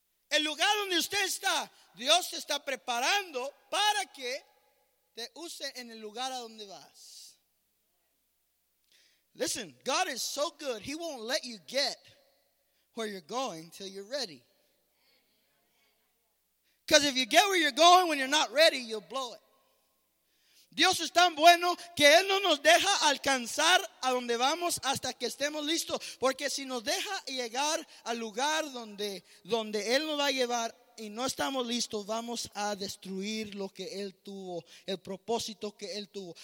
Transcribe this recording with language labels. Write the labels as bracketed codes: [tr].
[es] El lugar donde usted está, Dios te está preparando para que te use en el lugar a donde vas. [en] Listen, God is so good, he won't let you get where you're going till you're ready. Because if you get where you're going when you're not ready, you'll blow it. [es] Dios es tan bueno que Él no nos deja alcanzar a donde vamos hasta que estemos listos. Porque si nos deja llegar al lugar donde Él nos va a llevar y no estamos listos, vamos a destruir lo que Él tuvo, el propósito que Él tuvo.